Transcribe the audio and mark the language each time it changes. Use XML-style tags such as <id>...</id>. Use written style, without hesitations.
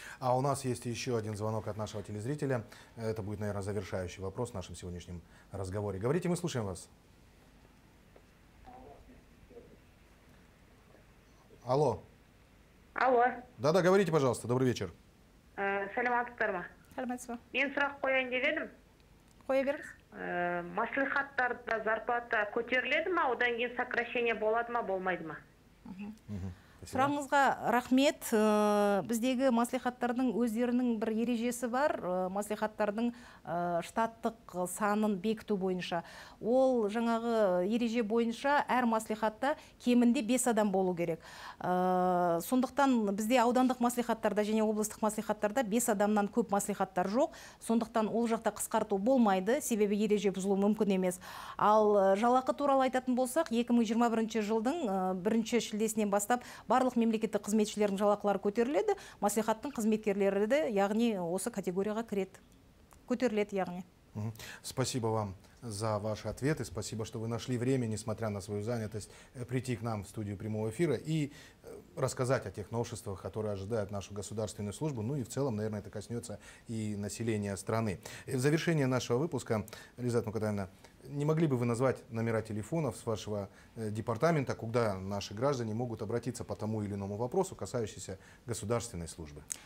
<ru>А у нас есть еще один звонок от нашего телезрителя. Это будет, наверное, завершающий вопрос в нашем сегодняшнем разговоре. Говорите, мы слушаем вас. Алло. Алло. Да-да, говорите, пожалуйста. Добрый вечер.</ru> <kk>Саламатсыздарма. Мен сұрақ қояйын деп едім. Қоя беріңіз. Маслихаттарда зарплата көтеріледі ма, одан кейін сокращение болады ма, болмайды ма? Сұрағыңызға рахмет. Біздегі маслихаттардың өздерінің бір ережесі бар. Маслихаттардың штаттық санын бекіту бойынша. Ол жаңағы ереже бойынша әр маслихатта кемінде 5 адам болу керек. Сондықтан бізде аудандық маслихаттарда және облыстық маслихаттарда 5 адамнан көп маслихаттар жоқ. Сондықтан ол жақта қысқарту болмайды, себебі ереже бұзылу мүмкін емес. Ал жалақы туралы айтатын болсақ, 2021 жылдың 1 шілдесінен бастап барлық мемлекеттік қызметшілердің жалақылары көтеріледі, маслихаттың қызметкерлері де, яғни осы категорияға кіреді. Көтеріледі, яғни.</kk> <ru>Спасибо вам за ваши ответы. Спасибо, что вы нашли время, несмотря на свою занятость, прийти к нам в студию прямого эфира и рассказать о тех новшествах, которые ожидают нашу государственную службу. Ну и в целом, наверное, это коснется и населения страны. В завершение нашего выпуска, Лизат Мукатаевна, не могли бы вы назвать номера телефонов с вашего департамента, куда наши граждане могут обратиться по тому или иному вопросу, касающемуся государственной службы?</ru>